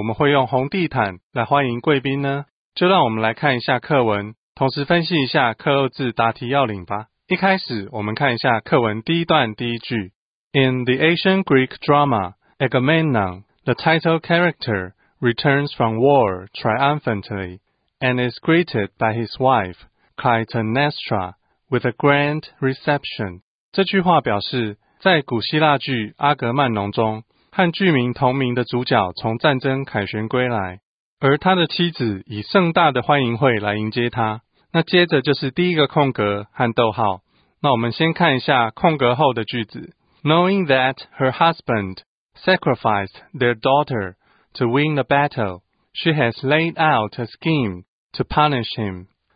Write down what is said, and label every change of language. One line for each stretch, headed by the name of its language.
Chinese: 今天的课程将介绍红地毯的由来。为什么现在我们会用红地毯来欢迎贵宾呢?就让我们来看一下课文,同时分析一下课后字答题要领吧。一开始,我们看一下课文第一段第一句。
English: In the ancient Greek drama, Agamemnon, the title character, returns from war triumphantly and is greeted by his wife, Clytemnestra, with a grand reception.
Chinese: 这句话表示,在古希腊剧《阿格曼农》中,和剧名同名的主角从战争凯旋归来,而他的妻子以盛大的欢迎会来迎接他。那接着就是第一个空格和逗号。那我们先看一下空格后的句子。
English: Knowing that her husband sacrificed their daughter to win the battle, she has laid out a scheme to punish him.